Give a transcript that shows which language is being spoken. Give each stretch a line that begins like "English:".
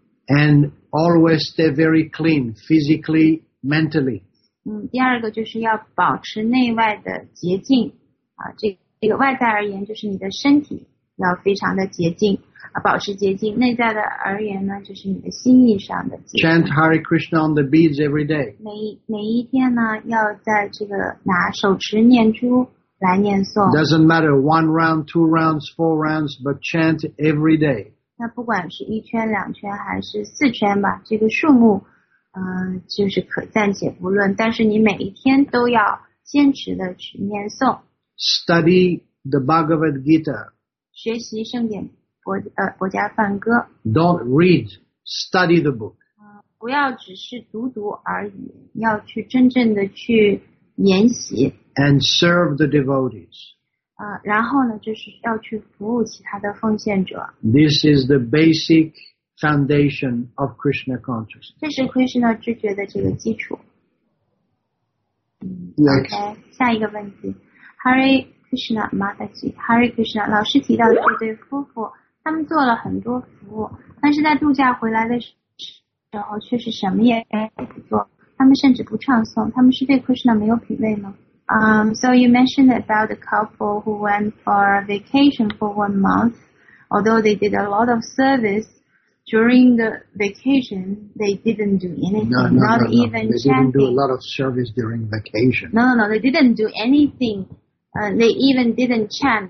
English: And always stay very clean, physically, mentally.
Chinese: 第二个就是要保持内外的洁净。这个外在而言就是你的身体要非常的洁净，保持洁净。内在的而言呢，就是你的心意上的洁净。
English: Chant Hare Krishna on the beads every day.
Chinese: 每一天呢，要在这个拿手持念珠来念诵。
English: Doesn't matter one round, two rounds, four rounds, but chant every day.
Chinese: 那不管是一圈、两圈还是四圈吧，这个数目，就是可暂且不论。但是你每一天都要坚持的去念诵。
English: Study the Bhagavad Gita.
Chinese: 学习圣典。国家梵歌。
English: Don't read, study the book.
Chinese: 不要只是读而已，要去真正的去研习。
English: And serve the devotees.
Chinese: 然后呢，就是要去服务其他的奉献者。
English: This is the basic foundation of Krishna consciousness.
Chinese: 这是 Krishna 知觉的这个基础。
English: Next.
Chinese: Okay, 下一个问题 ，Hare Krishna Mataji, Hare Krishna 老师提到这对夫妇。他们做了很多服务，但是在度假回来的时候却是什么也不做，他们甚至不唱诵，他们是对 Krishna 没有品味吗？
English: So you mentioned about the couple who went for a vacation for 1 month. Although they did a lot of service during the vacation, they didn't do anything. No, no, not no, no, even no. They chanting. They didn't do a lot of service during vacation. No, they didn't do anything. They even didn't chant.